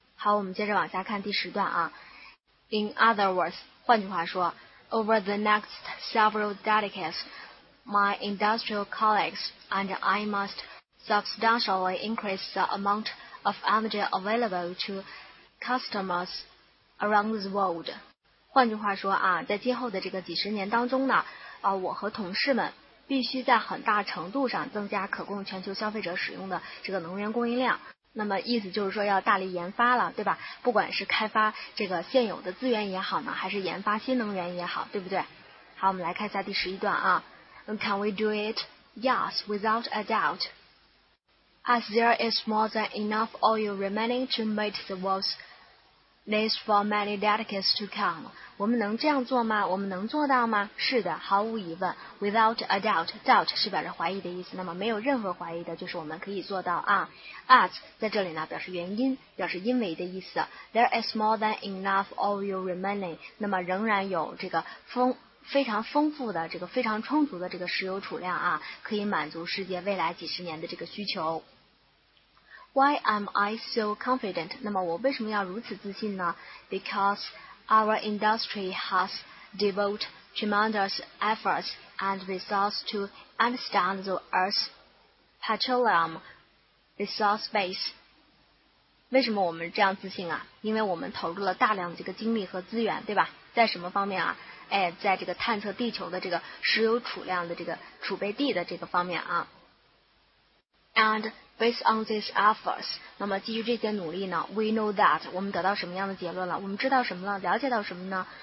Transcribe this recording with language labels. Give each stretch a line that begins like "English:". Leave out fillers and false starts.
Chinese: 好，我们接着往下看第十段啊。
English: In other words,
Chinese: 换句话说
English: ,over the next several decades, my industrial colleagues and I must substantially increase the amount of energy available to customers around the world.
Chinese: 换句话说啊，在今后的这个几十年当中呢，我和同事们必须在很大程度上增加可供全球消费者使用的这个能源供应量。那么意思就是说要大力研发了，对吧？不管是开发这个现有的资源也好呢，还是研发新能源也好，对不对？好，我们来看一下第十一段啊。
English: Can we do it? Yes, without a doubt. As there is more than enough oil remaining to meet the world's needs for many decades to come.
Chinese: 我们能这样做吗？我们能做到吗？是的，毫无疑问。
English: Without a doubt,
Chinese: doubt 是表示怀疑的意思，那么没有任何怀疑的，就是我们可以做到啊。 As 在这里呢，表示原因，表示因为的意思。
English: There is more than enough oil remaining.
Chinese: 那么仍然有这个非常丰富的这个非常充足的这个石油储量啊，可以满足世界未来几十年的这个需求。
English: Why am I so confident?
Chinese: 那么我为什么要如此自信呢?
English: Because our industry has devoted tremendous efforts and resources to understand the Earth's petroleum resource base.
Chinese: 为什么我们这样自信啊?因为我们投入了大量的这个精力和资源,对吧?在什么方面啊? 哎,在这个探测地球的这个石油储量的这个储备地的这个方面啊。
English: And based on these efforts,
Chinese: 那么基于这些努力呢 ,
English: we know that,
Chinese: 我们得到什么样的结论了?我们知道什么了?了解到什么呢?